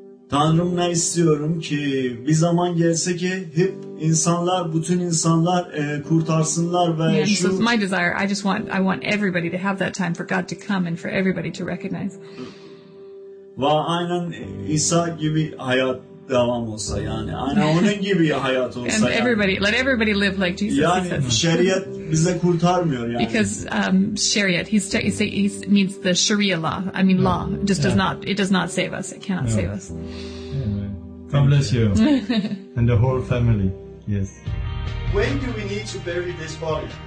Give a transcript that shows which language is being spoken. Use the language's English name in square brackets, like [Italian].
[Turkish] Tanrım ne istiyorum ki bir zaman gelse ki hep insanlar, bütün insanlar kurtarsınlar ve [English] yeah, [Turkish] şu. [English] So my desire, I want everybody to have that time for God to come and for everybody to recognize. [Turkish] Ve aynen İsa gibi hayat devam olsa yani. Aynen onun gibi hayat olsa [English] and everybody, [Turkish] yani. [English] Let everybody live like Jesus. [Turkish] Yani şeriat bize kurtarmıyor yani. [English] Because şeriat, he means the Sharia law. I mean law. It does not save us. It cannot save us. Amen. God bless you. And the whole family. Yes. When do we need to bury this body?